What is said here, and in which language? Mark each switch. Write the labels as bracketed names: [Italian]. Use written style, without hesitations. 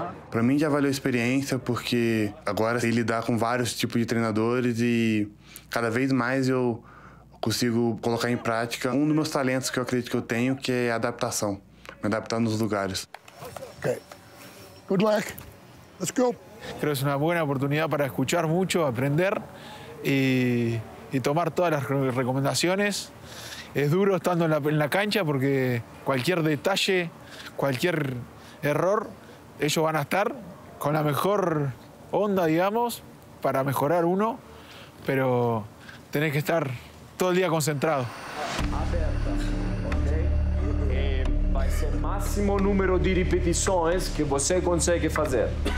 [Portuguese] Para mim já valeu a experiência, porque agora sei lidar com vários tipos de treinadores e cada vez mais eu consigo colocar em prática um dos meus talentos que eu acredito que eu tenho, que é a adaptação, me adaptar nos lugares. [English] Ok. Good luck. Let's go. [Spanish] Creo que es una buena oportunidad para escuchar mucho, aprender y tomar todas las recomendaciones. Es duro estando en la cancha porque cualquier detalle, cualquier error, ellos van a estar con la mejor onda, digamos, para mejorar uno, pero tenés que estar todo el día concentrado. [Portuguese] Vai ser máximo número de repetições que você consegue fazer.